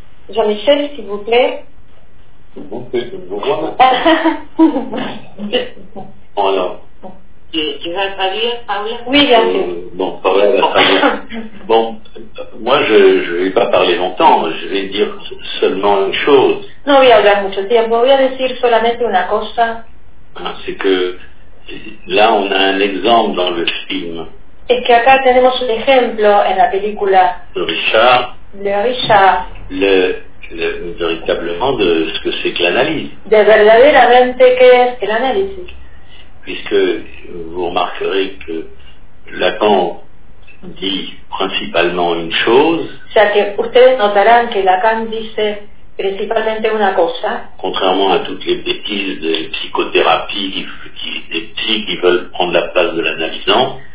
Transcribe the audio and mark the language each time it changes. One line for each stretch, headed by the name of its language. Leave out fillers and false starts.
French: Jean-Michel, s'il vous plaît.
Spanish: Hola.
French: Tu vas traduire, Paula? Oui, bien sûr. Bon, Paula va traduire. Bon, moi je ne vais pas parler longtemps, je vais dire seulement une chose.
Spanish: No voy a hablar mucho tiempo, voy a decir solamente una cosa.
French: Ah, c'est que là on a un exemple dans le film.
Spanish: Es que acá tenemos un ejemplo en la película.
French: Le Richard. Le véritablement de ce que c'est que l'analyse.
Spanish: De verdaderamente qué es el análisis.
French: Puisque vous remarquerez que Lacan dit principalement une chose.
Spanish: O sea que ustedes notarán que Lacan dice principalmente una cosa.
French: Contrairement à toutes les bêtises de psychothérapie des psys qui veulent prendre la place de l'analysant.